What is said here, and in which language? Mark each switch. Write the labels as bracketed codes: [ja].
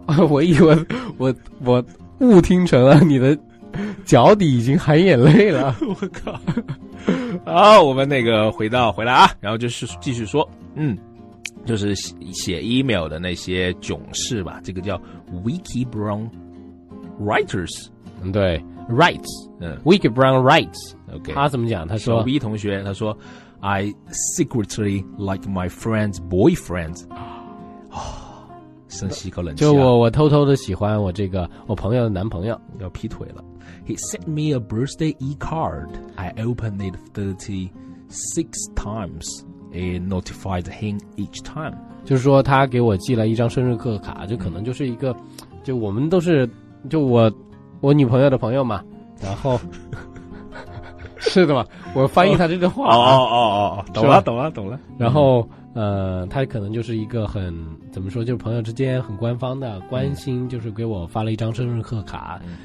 [zh] 我以为我误听成了你的脚底已经含眼泪了我靠，好，我们那个回来啊，然后就是继续说，嗯，就是写 email 的那些囧事吧，这个叫 Wiki Brown Writers，嗯，对 ， [en] Writes， [zh] 嗯 ，Wiki Brown Writes， OK，他怎么讲？他说，小 B 同学，他说 [en] ，I secretly like my friend's boyfriend。 [zh] 深吸一口冷气、啊、就我偷偷的喜欢我这个我朋友的男朋友，要劈腿了。 [en] He sent me a birthday e-card. I opened it 36 times and notified him each time. [zh] 就是说他给我寄了一张生日贺卡，就可能就是一个、嗯、就我们都是就我女朋友的朋友嘛，然后是的嘛，我翻译他这个话、啊、哦懂了懂了懂了，然后、嗯，他可能就是一个很怎么说，就是朋友之间很官方的关心，就是给我发了一张生日贺卡、嗯。